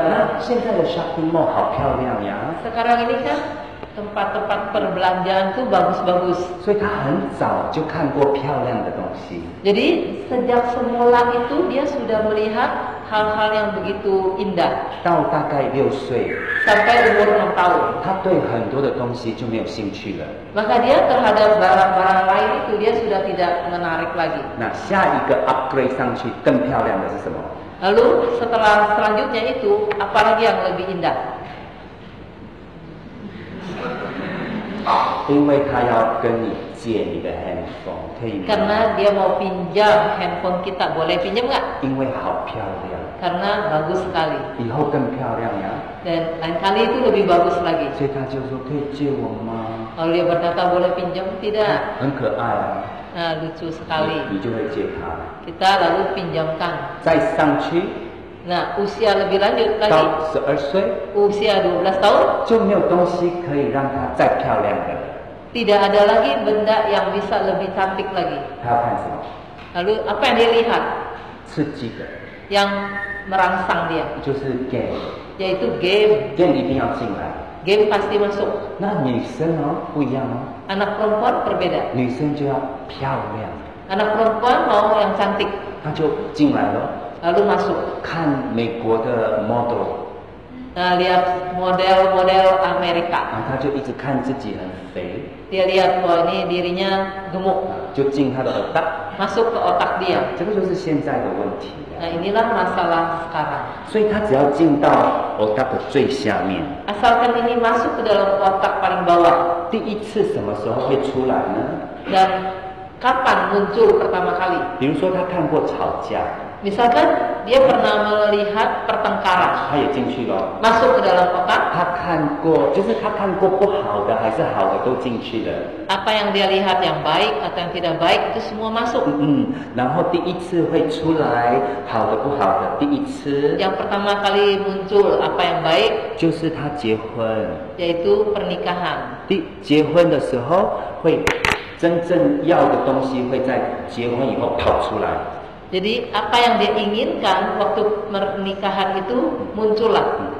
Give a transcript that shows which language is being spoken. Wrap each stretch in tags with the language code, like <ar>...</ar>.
<id>Nah, sekarang di shopping mall,</id> <en>how beautiful</en> <id>ya. Sekarang ini kan tempat-tempat perbelanjaan tu bagus-bagus. Jadi, dia sejak awal sudah melihat</id> <en>beautiful things.</en> <id>Jadi, sejak semula itu dia sudah melihat hal-hal yang begitu indah.</id> <zh>到大概六岁。</zh> <id>Sampai umur 6 tahun.</id> <zh>他对很多的东西就没有兴趣了。</zh> <id>Maka dia terhadap barang-barang lain itu dia sudah tidak menarik lagi.</id> <zh>Nah, 下一个 upgrade 上去更漂亮的是什么？</zh> <id>Lalu setelah selanjutnya itu, apalagi yang lebih indah?</id> <zh>因为他要跟你借你的 handphone， 可以吗</zh> <id>？Karena dia mau pinjam handphone kita， boleh pinjam nggak？</id> <zh>因为好漂亮。</zh> <id>Karena bagus sekali。</id> <zh>以后更漂亮呀。</zh> <id>Dan lain kali itu lebih bagus lagi。</id> <zh>所以他就说可以借我吗</zh> <id>？Lalu dia berkata boleh pinjam tidak？</id> <zh>很可爱啊。</zh> <id>Nah, lucu sekali。</id> <zh>你就会借他。</zh> <id>Kita lalu pinjamkan。</id> <zh>再上去。</zh> <id>Nah, usia lebih lanjut lagi.</id> <zh>到十二岁。</zh> <id>Usia 12 tahun。</id> <zh>就没有东西可以让他再漂亮的。</zh> <id>Tidak ada lagi benda yang bisa lebih cantik lagi.</id> <zh>他要看什么？</zh> <id>Lalu apa yang dia lihat？</id> <zh>刺激的。</zh> <id>Yang merangsang dia。</id> <zh>就是 game。</zh> <id>Yaitu game。</id> <zh>Game 一定要进来。</zh> <id>Game pasti masuk。</id> <zh>那女生哦，不一样哦。</zh> <id>Anak perempuan berbeda。</id> <zh>女生就要漂亮。</zh> <id>Anak perempuan mau yang cantik。</id> <zh>他就进来了。</zh> <id>Lalu masuk.</id> <zh>看美国的 model.</zh> <id>Nah, lihat model-model Amerika.</id> <zh>他就一直看自己很肥。</zh> <id>Dia lihat bahwa ini dirinya gemuk.</id> <zh>就进他的 otak.</zh> <id>Masuk ke otak dia.</id> <zh>这个就是现在的问题。</zh> <id>Nah, inilah masalah sekarang.</id> <zh>所以他只要进到 otak 的最下面。</zh> <id>Asalkan ini masuk ke dalam otak paling bawah.</id> <zh>第一次什么时候会出来呢？</zh> <id>Dan kapan muncul pertama kali？</id> <zh>比如说他看过吵架。</zh> <id>Misalkan dia pernah melihat pertengkaran.</id> <zh>他也进去了。</zh> <id>Masuk ke dalam otak.</id> <zh>他看过，就是他看过不好的还是好的都进去了。</zh> <id>Apa yang dia lihat yang baik atau yang tidak baik itu semua masuk.</id> <zh>然后第一次会出来好的不好的第一次。</zh> <id>Yang pertama kali muncul apa yang baik.</id> <zh>就是他结婚。</zh> <id>Yaitu pernikahan.</id> <zh>第结婚的时候会真正要的东西会在结婚以后跑出来。</zh> <id>Jadi apa yang dia inginkan waktu pernikahan itu muncullah.</id>